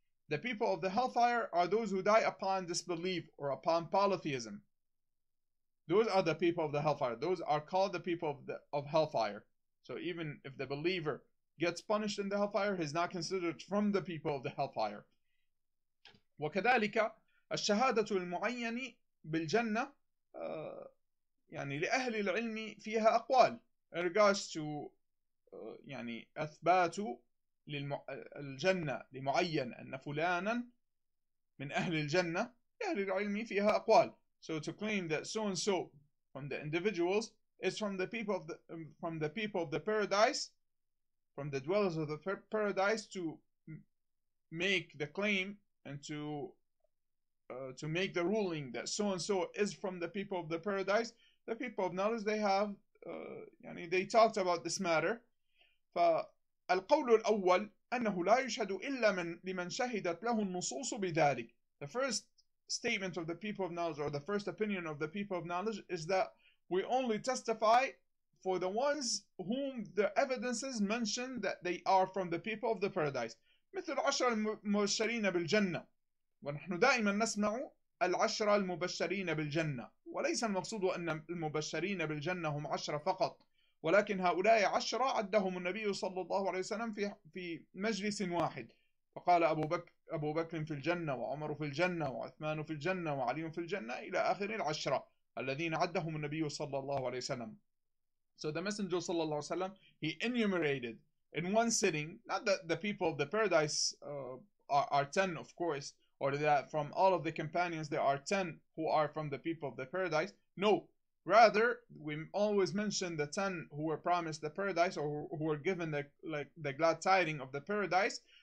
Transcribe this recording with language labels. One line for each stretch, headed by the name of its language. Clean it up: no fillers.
English: The people of the hellfire are those who die upon disbelief or upon polytheism. Those are the people of the hellfire. Those are called the people of hellfire. So even if the believer gets punished in the hellfire, he is not considered from the people of the hellfire.
Arabic: وكذلك الشهادة المعينة بالجنة يعني لأهل العلم فيها أقوال
English: in regards to
Arabic: يعني أثبات للجنة لمعين أن فلانا من أهل الجنة أهل العلم فيها أقوال.
English: So to claim that so and so from the individuals is from the people of the paradise, from the dwellers of the paradise, to make the claim and to make the ruling that so and so is from the people of the paradise, the people of knowledge, they have يعني they talked about this matter.
Arabic: فالقول الأول أنه لا يشهد إلا من لمن شهدت له النصوص بذلك.
English: The first statement of the people of knowledge, or the first opinion of the people of knowledge, is that we only testify for the ones whom the evidences mention that they are from the people of the paradise.
Arabic: مثل عشر المبشرين بالجنة. ونحن دائما نسمع العشر المبشرين بالجنة. وليس المقصود أن المبشرين بالجنة هم عشر فقط. ولكن هؤلاء عشرة عدهم النبي صلى الله عليه وسلم في مجلس واحد. فقال أبو بكر في الجنة، وعمر في الجنة، وعثمان في الجنة، وعلي في الجنة، إلى آخر العشرة الذين عدهم النبي صلى الله عليه وسلم.
English: So the messenger صلى الله عليه وسلم, he enumerated in one sitting, not that the people of the paradise are 10 of course, or that from all of the companions there are 10 who are from the people of the paradise. No, rather we always mention the 10 who were promised the paradise, or who were given the like the glad tiding of the paradise.